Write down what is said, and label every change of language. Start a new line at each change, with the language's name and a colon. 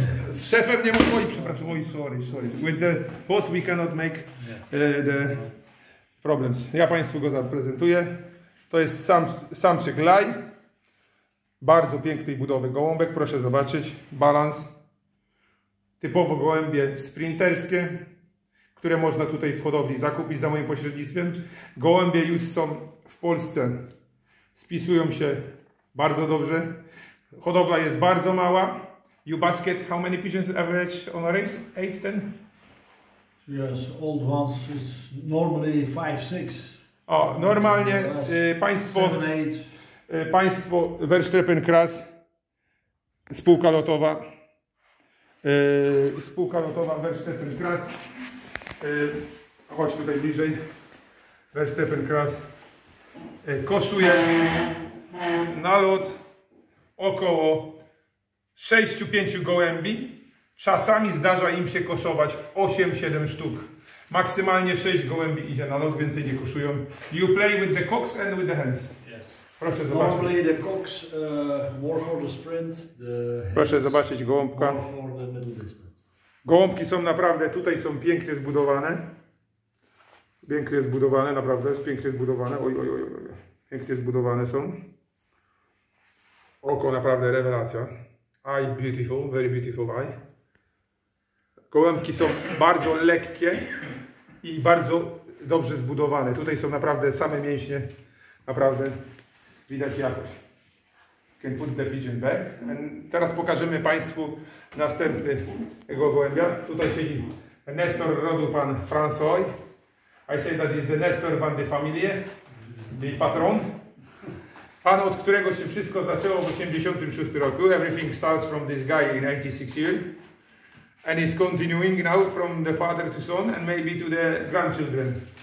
Polish: Z szefem nie mogę, przepraszam, sorry.
English: With the boss we cannot make the problems.
Polish: Ja Państwu go zaprezentuję. To jest samczyk Laj. Bardzo pięknej budowy gołąbek, proszę zobaczyć. Balans. Typowo gołębie sprinterskie, które można tutaj w hodowli zakupić za moim pośrednictwem. Gołębie już są w Polsce, spisują się bardzo dobrze. Hodowla jest bardzo mała.
English: You basket, how many pigeons average on a race? 8, 10? Yes, old ones is normally 5, 6.
Polish: O, normalnie państwo, 7, 8. Państwo Verstappen-Kras, spółka lotowa. Spółka lotowa Verstappen-Kras. Chodź tutaj bliżej. Verstappen-Kras kosztuje na lot około 6-5 gołębi. Czasami zdarza im się koszować 8-7 sztuk. Maksymalnie 6 gołębi idzie na lot, więcej nie koszują.
English: You play with the cocks and with the hens. Yes.
Polish: Proszę zobaczyć.
English: Normally the cocks more for the sprint, the hens.
Polish: Proszę zobaczyć gołąbka.
English: More for the middle distance.
Polish: Gołąbki są naprawdę, tutaj są pięknie zbudowane. Pięknie zbudowane, naprawdę, jest pięknie zbudowane. Oj. Pięknie zbudowane są. Oko naprawdę rewelacja.
English: Eye beautiful, very beautiful eye.
Polish: Gołębki są bardzo lekkie i bardzo dobrze zbudowane. Tutaj są naprawdę same mięśnie, naprawdę widać jakość.
English: Can put the pigeon back.
Polish: And teraz pokażemy Państwu następnego gołębia. Tutaj siedzi Nestor rodu pan François.
English: I say that is the Nestor
Dutch: van de familie,
English: the patron.
Polish: Pan, od którego się wszystko zaczęło w 1986 roku.
English: Everything starts from this guy in 86 years. And it's continuing now from the father to son and maybe to the grandchildren.